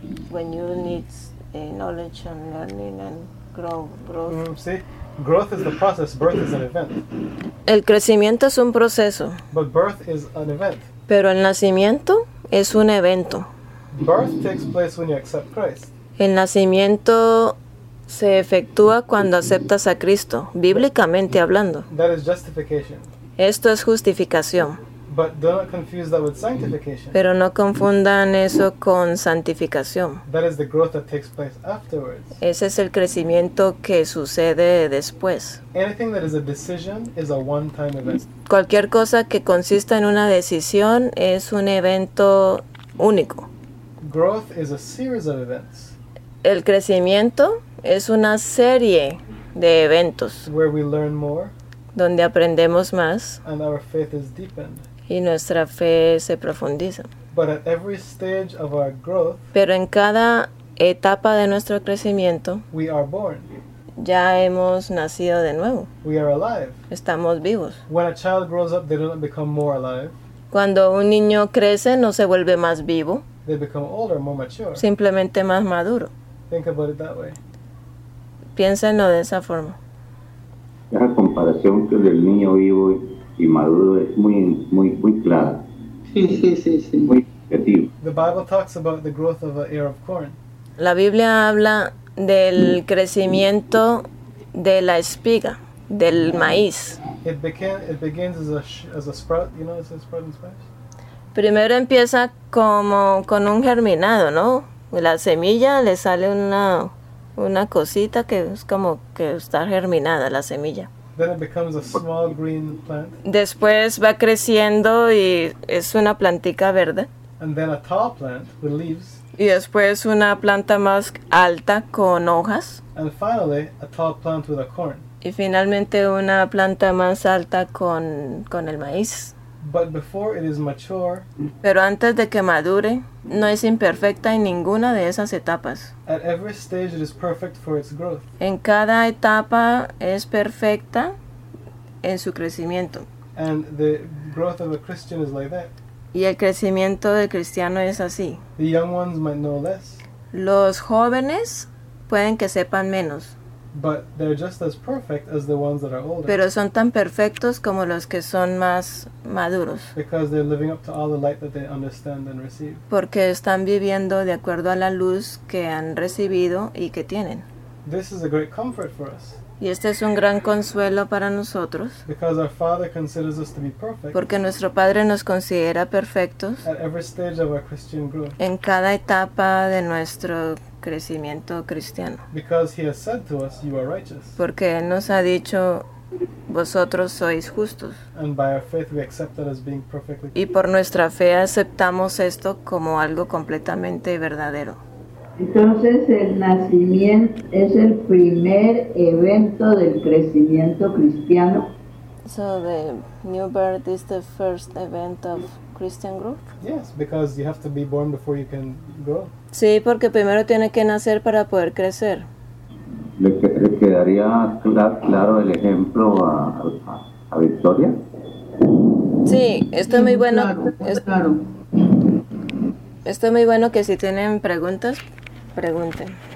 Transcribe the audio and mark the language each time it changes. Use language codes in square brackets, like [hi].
[en] When you need knowledge and learning and growth. Growth is the process, birth is an event. [es] El crecimiento es un proceso. [en] But birth is an event. [es] Pero el nacimiento es un evento. [en] Birth takes place when you accept Christ. [es] El nacimiento se efectúa cuando aceptas a Cristo, bíblicamente hablando. [en] That is justification. [es] Esto es justificación. [en] But don't confuse that with sanctification. [es] Pero no confundan eso con santificación. [en] That is the growth that takes place afterwards. [es] Ese es el crecimiento que sucede después. [en] Anything that is a decision is a one-time event. [es] Cualquier cosa que consista en una decisión es un evento único. [en] Growth is a series of events. [es] El crecimiento es una serie de eventos. [en] Where we learn more. [es] Donde aprendemos más. [en] And our faith is deepened. [es] Y nuestra fe se profundiza. [en] But at every stage of our growth, [es] pero en cada etapa de nuestro crecimiento, [en] we are born. [es] Ya hemos nacido de nuevo. [en] We are alive. [es] Estamos vivos. [en] When a child grows up, they don't become more alive. [es] Cuando un niño crece, no se vuelve más vivo. [en] They become older, more mature. [es] Simplemente más maduro. Think about it that way. Piénsenlo de esa forma. Esa comparación que del niño vivo y maduro es muy, muy, muy clara. Sí. Muy objetivo. [en] The Bible talks about the growth of an ear of corn. [es] La Biblia habla del crecimiento de la espiga, del maíz. [en] It begins as a sprout, you know, it's a sprouting spice. [es] Primero empieza como con un germinado, ¿no? La semilla le sale una cosita que es como que está germinada la semilla. [en] Then it becomes a small green plant. [es] Después va creciendo y es una plantica verde. [en] And then a tall plant with leaves. [es] Y después una planta más alta con hojas. [en] And finally, a tall plant with a corn. [es] Y finalmente una planta más alta con el maíz. [en] But before it is mature, [es] pero antes de que madure, no es imperfecta en ninguna de esas etapas. [en] At every stage it is perfect for its growth. [es] En cada etapa es perfecta en su crecimiento. [en] And the growth of a Christian is like that. [es] Y el crecimiento del cristiano es así. [en] The young ones might know less. [es] Los jóvenes pueden que sepan menos. [en] But they're just as perfect as the ones that are older. [es] Pero son tan perfectos como los que son más maduros. [en] Because they're living up to all the light that they understand and receive. [es] Porque están viviendo de acuerdo a la luz que han recibido y que tienen. [en] This is a great comfort for us. [es] Y este es un gran consuelo para nosotros. [en] Because our Father considers us to be perfect. [es] Porque nuestro Padre nos considera perfectos. [en] At every stage of our Christian growth. [es] En cada etapa de nuestro crecimiento cristiano. [en] Because he has said to us, you are righteous. [es] Porque él nos ha dicho, vosotros sois justos. [en] And by our faith we accept that as being perfectly. [es] Y por nuestra fe aceptamos esto como algo completamente verdadero. Entonces el nacimiento es el primer evento del crecimiento cristiano. [en] So the new birth is the first event of Christian growth? Yes, because you have to be born before you can grow. [es] Sí, porque primero tiene que nacer para poder crecer. ¿Le quedaría claro el ejemplo a Victoria? Sí, esto es muy bueno. Claro. Esto es muy bueno que si tienen preguntas, pregunten.